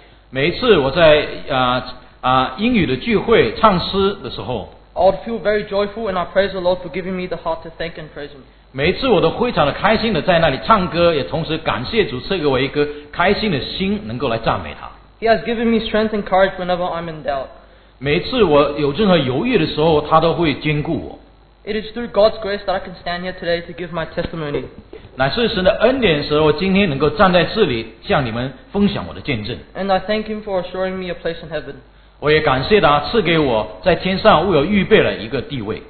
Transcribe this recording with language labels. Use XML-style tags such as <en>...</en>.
<zh>每一次我在英语的聚会唱诗的时候，</zh> <en>I would feel very joyful, and I praise the Lord for giving me the heart to thank and praise Him.</en> <zh>每次我都非常的开心的在那里唱歌，也同时感谢主赐给我一个开心的心，能够来赞美他。</zh> <en>He has given me strength and courage whenever I'm in doubt.</en> <zh>每次我有任何犹豫的时候，他都会坚固我。</zh> <en>It is through God's grace that I can stand here today to give my testimony.</en> <zh>乃是神的恩典使我今天能够站在这里向你们分享我的见证。</zh> <en>And I thank Him for assuring me a place in heaven.</en> <zh>我也感谢他赐给我在天上为我预备了一个地位。</zh>